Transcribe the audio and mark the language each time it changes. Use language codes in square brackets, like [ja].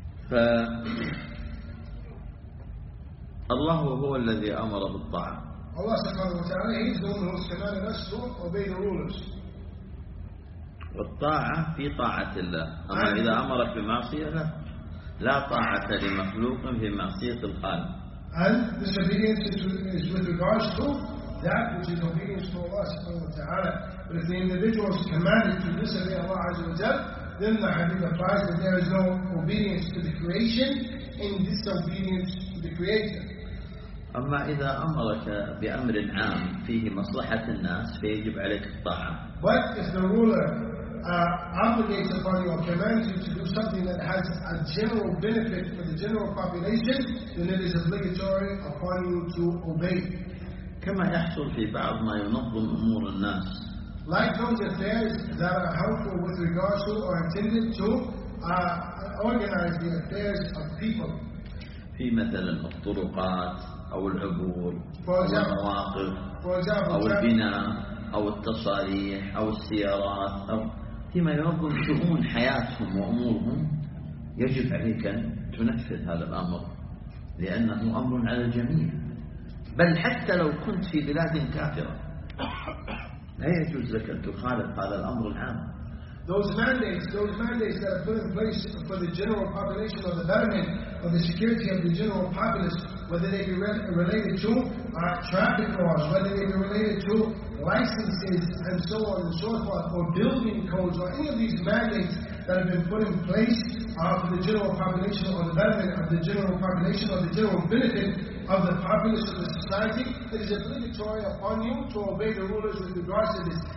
[ar] ف الله هو الذي أمر بالطاعة. الله سبحانه وتعالى [en] is the one who commanded us to obey the rulers. [ar] والطاعة في طاعة الله. أما إذا أمرك بمعصية لا طاعة لمخلوق في معصية الخالق. [en] And this obedience is with regards to that which is obedience to Allah [ar] سبحانه وتعالى. [en] But if the individual is commanded to disobey Allah [ar] عز وجل, [en] then the hadith applies that there is no obedience to the creation in disobedience to the creator. [ar] أما إذا أمرك بأمر عام فيه مصلحة الناس فيجب عليك الطاعة. [en] But if the ruler obligates upon you or commands you to do something that has a general benefit for the general population, then it is obligatory upon you to obey. [ar] كما يحصل في بعض ما ينظم أمور الناس. [en] Like those affairs that are helpful with regards to or intended to organize the affairs of people. [ar] في مثلا الطرقات أو العبور أو المواقف أو البناء أو التصاريح أو السيارات أو فيما ينظم شؤون حياتهم وأمورهم، يجب عليك أن تنفذ هذا الأمر لأنه أمر على الجميع. بل حتى لو كنت في بلاد كافرة لا يجوز لك أن تخالف هذا الأمر العام. [en] Those mandates that are put in place for the general population or the betterment or the security of the general populace, whether they be related to traffic laws, whether they be related to licenses and so on and so forth, or building codes, or any of these mandates that have been put in place for the general population or the betterment of the general population or the general benefit of the populace of the society, it is obligatory upon you to obey the rulers with regards to this.